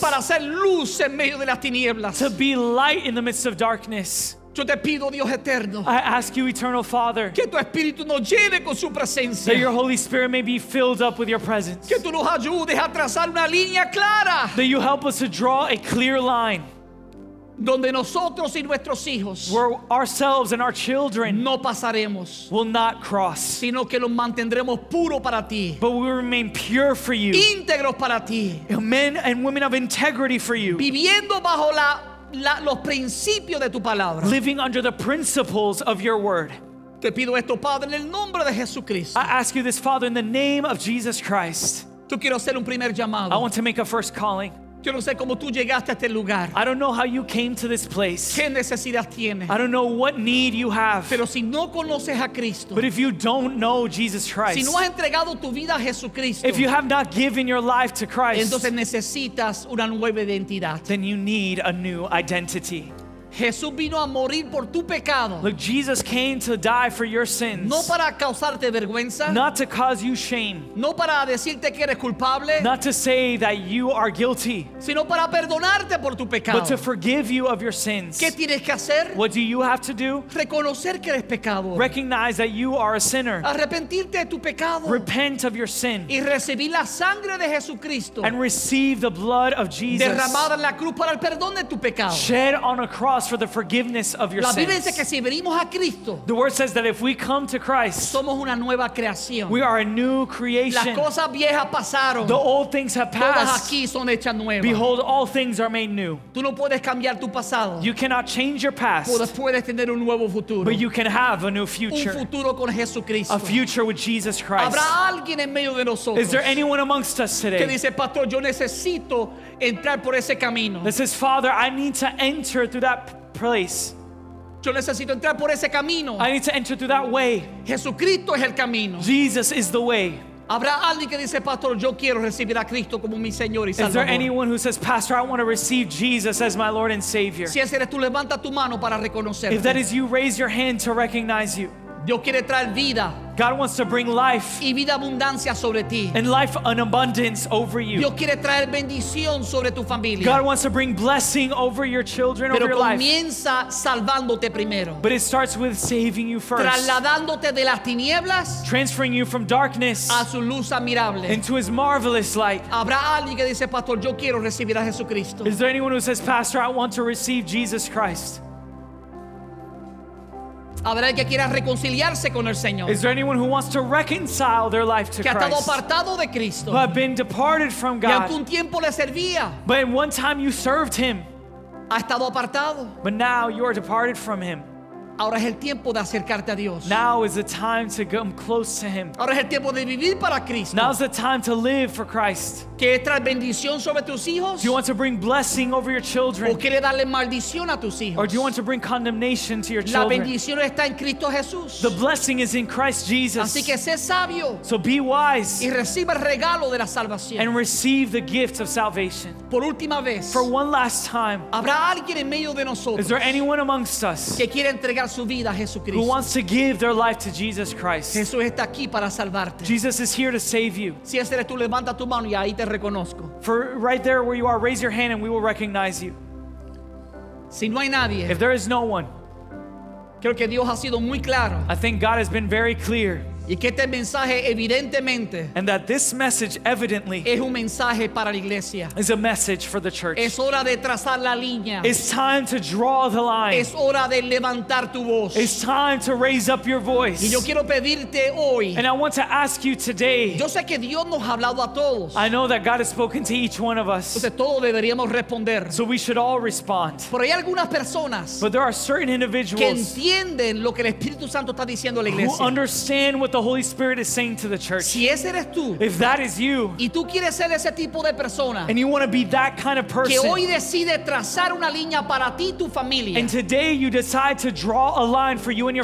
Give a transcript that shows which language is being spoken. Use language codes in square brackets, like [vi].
[es] Para ser luz en medio de las tinieblas. [en] To be light in the midst of darkness. [es] Yo te pido, Dios eterno, [en] I ask you, eternal Father, [es] que tu espíritu nos lleve con su presencia. [en] That your Holy Spirit may be filled up with your presence. [es] Que tú nos ayudes a trazar una línea clara. [en] That you help us to draw a clear line. [es] Donde nosotros y nuestros hijos, [en] where ourselves and our children, [es] no pasaremos, [en] will not cross, [es] sino que los mantendremos puro para ti, [en] but we will remain pure for you, [es] íntegros para ti, [en] men and women of integrity for you, [es] viviendo bajo los principios de tu palabra, [en] living under the principles of your word. [es] Te pido esto, Padre, en el nombre de Jesucristo. [en] I ask you this, Father, in the name of Jesus Christ. [es] Tú quiero hacer un primer llamado. [en] I want to make a first calling. [es] Yo no sé cómo tú llegaste a este lugar. [en] I don't know how you came to this place. [es] ¿Qué necesidad tienes? [en] I don't know what need you have. [es] Pero si no conoces a Cristo, [en] but if you don't know Jesus Christ, [es] si no has entregado tu vida a Jesucristo, [en] if you have not given your life to Christ, [es] entonces necesitas una nueva identidad. [en] Then you need a new identity. [es] Jesús vino a morir por tu pecado. [en] Look, Jesus came to die for your sins. [es] No para causarte vergüenza. [en] Not to cause you shame. [es] No para decirte que eres culpable. [en] Not to say that you are guilty. [es] Sino para perdonarte por tu pecado. [en] But to forgive you of your sins. [es] ¿Qué tienes que hacer? [en] What do you have to do? [es] Reconocer que eres pecador. [en] Recognize that you are a sinner. [es] Arrepentirte de tu pecado. [en] Repent of your sin. [es] Y recibir la sangre de Jesucristo. [en] And receive the blood of Jesus. [es] Derramada en la cruz para el perdón de tu pecado. [en] Shed on a cross for the forgiveness of your [es] la [en] sins. [es] Biblia dice que si venimos a Cristo, [en] the word says that if we come to Christ, [es] somos una nueva creación. [en] We are a new creation. [es] Las cosas viejas pasaron. [en] The old things have passed. [es] Todas aquí son hechas nuevas. [en] Behold, all things are made new. [es] Tú no puedes cambiar tu pasado. [en] You cannot change your past. [es] Puedes tener un nuevo futuro. [en] But you can have a new future. [es] Un futuro con Jesucristo. [en] A future with Jesus Christ. [es] ¿Habrá alguien en medio de nosotros? [en] Is there anyone amongst us today [es] que dice, Pastor, yo necesito entrar por ese camino? [en] This is Father, I need to enter through that place. [es] Yo necesito entrar por ese camino. [en] I need to enter through that way. [es] Jesucristo es el camino. [en] Jesus is the way. [es] ¿Habrá alguien que dice, Pastor, yo quiero recibir a Cristo como mi Señor y Salvador? [en] Is there anyone who says, Pastor, I want to receive Jesus as my Lord and Savior? [es] Si ese eres tú, levanta tu mano para reconocerte. [en] If that is you, raise your hand to recognize you. [es] Dios quiere traer vida. [en] God wants to bring life [es] y vida abundancia sobre ti. [en] And life an abundance over you. [es] Dios quiere traer bendición sobre tu familia. [en] God wants to bring blessing over your children, [es] pero [en] over your life. [es] Pero comienza salvándote primero. [en] But it starts with saving you first. [es] Trasladándote de las tinieblas, [en] transferring you from darkness [es] a su luz admirable, [en] into his marvelous light. [es] ¿Habrá alguien que dice, Pastor, yo quiero recibir a Jesucristo? [en] Is there anyone who says, Pastor, I want to receive Jesus Christ? [es] ¿Habrá alguien que quiera reconciliarse con el Señor? [en] Is there anyone who wants to reconcile their life to [es] Christ? Que ha estado apartado de Cristo. [en] Who have been departed from God. [es] Y algún tiempo le servía. [en] But in one time you served him. [es] Ha estado apartado. [en] But now you are departed from him. [es] Ahora es el tiempo de acercarte a Dios. [en] Now is the time to come close to Him. [es] Ahora es el tiempo de vivir para Cristo. [en] Now is the time to live for Christ. [es] ¿Quieres traer bendición sobre tus hijos? [en] Do you want to bring blessing over your children? [es] ¿O quieres darle maldición a tus hijos? [en] Or do you want to bring condemnation to your children? [es] La bendición está en Cristo Jesús. [en] The blessing is in Christ Jesus. [es] Así que sé sabio. [en] So be wise. [es] Y recibe el regalo de la salvación. [en] And receive the gift of salvation. [es] Por última vez. [en] For one last time. [es] ¿Habrá alguien en medio de nosotros? [en] Is there anyone amongst us [es] que quiere entregar su vida a Jesucristo? [en] Who wants to give their life to Jesus Christ? [es] Jesús está aquí para salvarte. [en] Jesus is here to save you. [es] Si ese eres tú, levanta tu mano y ahí te reconozco. [en] For right there where you are, raise your hand and we will recognize you. [es] Si no hay nadie. [en] If there is no one. [es] Creo que Dios ha sido muy claro. [en] I think God has been very clear. [es] Y que este mensaje evidentemente, [en] and that this message evidently, [es] es un mensaje para la iglesia, [en] is a message for the church. [es] Es hora de trazar la línea. [en] It's time to draw the line. [es] Es hora de levantar tu voz. [en] It's time to raise up your voice. [es] Y yo quiero pedirte hoy, [en] and I want to ask you today. [es] Yo sé que Dios nos ha hablado a todos. [en] I know that God has spoken to each one of us. [es] Entonces todos deberíamos responder. [en] So we should all respond. [es] Pero hay algunas personas, [en] but there are certain individuals, [es] que entienden lo que el Espíritu Santo está diciendo a la iglesia, [en] who understand what the Holy Spirit is saying to the church. [es] Si ese eres tú, [en] if that is you, [es] y tú quieres ser ese tipo de persona, [en] and you want to be that kind of person, [es] que hoy decide trazar una línea para ti, tu familia, [en] and today you decide to draw a line for you and your